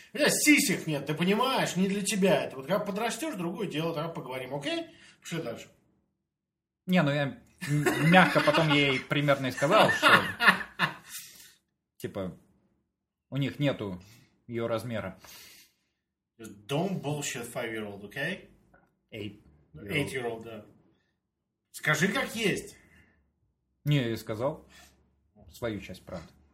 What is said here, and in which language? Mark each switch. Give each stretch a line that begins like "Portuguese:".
Russian: У меня сисек нет, ты понимаешь, не для тебя это. Вот когда подрастешь, другое дело, тогда поговорим, окей? Что дальше? Не, ну я мягко потом ей примерно и сказал, что... Типа, у них нету ее размера.
English: Just don't bullshit 5-year-old,
Russian: окей?
English: Okay?
Russian: 8-year-old, да. Скажи, как есть. Не, я сказал свою часть, правда.